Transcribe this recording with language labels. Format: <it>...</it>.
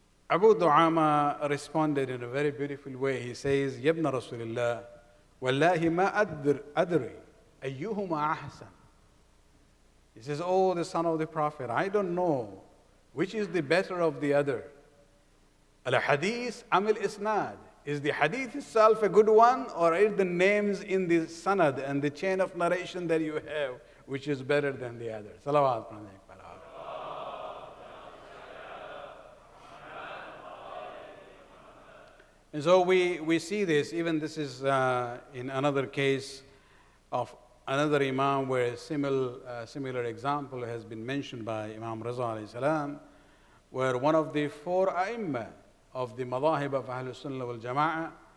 <en>Abu Du'ama responded in a very beautiful way. He says,</en> <ar>Ya ibn Rasulullah, وَاللَّهِ مَا أَدْرِ أَيُّهُمَا أَحْسَنَ.</ar> <en>He says, oh, the son of the Prophet, I don't know which is the better of the other.</en> <ar>Al-Hadith أَمِ الْإِسْنَادِ.</ar> <en>Is the hadith itself a good one, or is the names in the sanad and the chain of narration that you have which is better than the other? Salawat pranayak. And so we see this, even this is in another case of another imam where a similar example has been mentioned by Imam Raza alayhi salam, where one of the four a'imma of the madahib of Ahlul Sunnah wal Jama'ah,</en>